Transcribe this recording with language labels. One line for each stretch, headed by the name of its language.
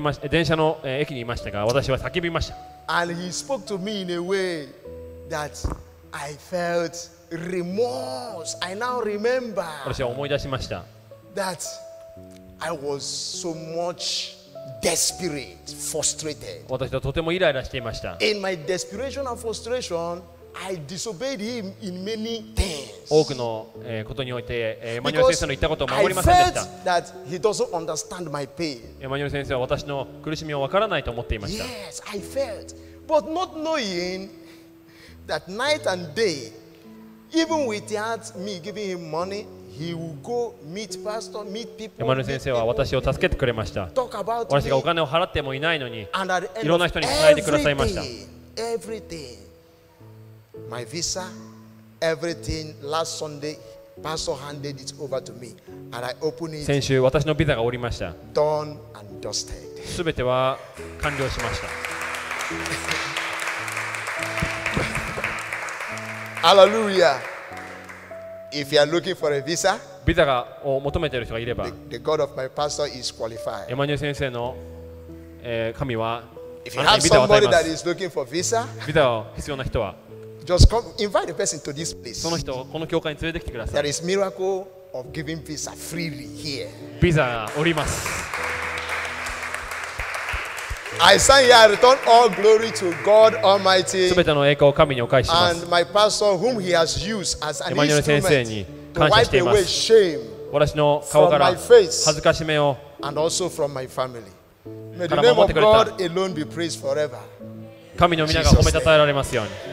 Japanese: 電車の駅にいましたが、私は叫びました。
English: And he spoke to me in a way that I felt remorse. I now remember.
Japanese: 私は思い出しました。
English: That I was so much. Desperate, frustrated.
Japanese: 私はとてもイライラしていました。
English: In my desperation and frustration, I disobeyed him in many things.
Japanese: 多くのことにおいて、エマニュエル先生の言ったことを守りませんでした。
English: I felt that he doesn't understand my pain.
Japanese: エマニュエル先生は私の苦しみをわからないと思っていました。
English: Yes, I felt, but not knowing that night and day, even without me giving him money. He will go meet pastor, meet people.
Japanese: 山根先生は私を助けてくれました。
English: Talk about
Japanese: 私がお金を払ってもいないのに、いろんな人に伝えてくださいました。
English: Everything, my visa, everything. Last Sunday, pastor handed it over to me, and I opened it.
Japanese: 先週私のビザが降りました。
English: Done and dusted.
Japanese: すべては完了しました。
English: Hallelujah. If you are looking for a visa,
Japanese: ビザを求めている人がいれば、
English: the God of my pastor is qualified.
Japanese: エマニュエル先生の、神は、
English: if you have somebody that is looking for visa,
Japanese: ビザを必要な人は、
English: just come, invite the person to this place.
Japanese: その人をこの教会に連れてきてください。
English: There is miracle of giving visa freely here.
Japanese: ビザがおります。
English: I say, I return all glory to God Almighty.
Japanese: すべての栄光を神にお返しします。
English: And my pastor, whom He has used as an instrument,
Japanese: 先生に感謝しています。
English: To wipe away shame from my face,
Japanese: 私の顔から恥ずかしめを、
English: and also from my family. May the name of God alone be praised forever.
Japanese: 神の皆が褒めたたえられますように。